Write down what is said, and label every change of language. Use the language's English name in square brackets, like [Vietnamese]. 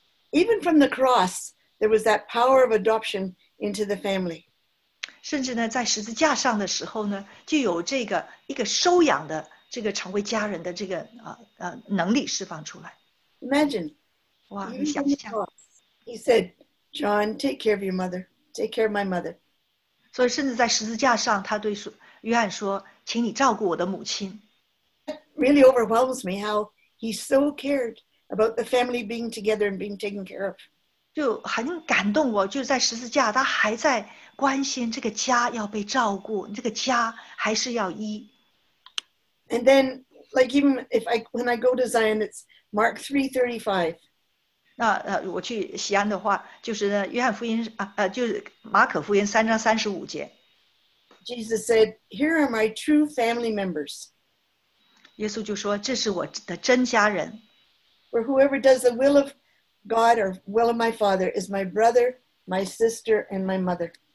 [English] Even from the cross, there was that power of adoption into the family. [Chinese] 甚至呢, 在十字架上的时候呢, 就有这个一个收养的, 这个成为家人的这个, 能力释放出来。 [English] Imagine, [Chinese] 哇, 你想一下。 [English] He said, John, take care of your mother. Take care of my mother. [Chinese] 所以甚至在十字架上, 他对约翰说, 请你照顾我的母亲。 [English] It really overwhelms me how he so cared about the family being together and being taken care of. [Chinese] 就很感动我，就在十字架，他还在关心这个家要被照顾，这个家还是要医。 [English] And then, like even if I when I go to Zion, it's Mark 3:35. [Chinese] 那我去西安的话，就是呢，约翰福音啊，就是马可福音3:35. [English] Jesus said, "Here are my true family members." [Chinese] 耶稣就说，这是我的真家人。 [English] For whoever does the will of God or will of my Father is my brother, my sister, and my mother.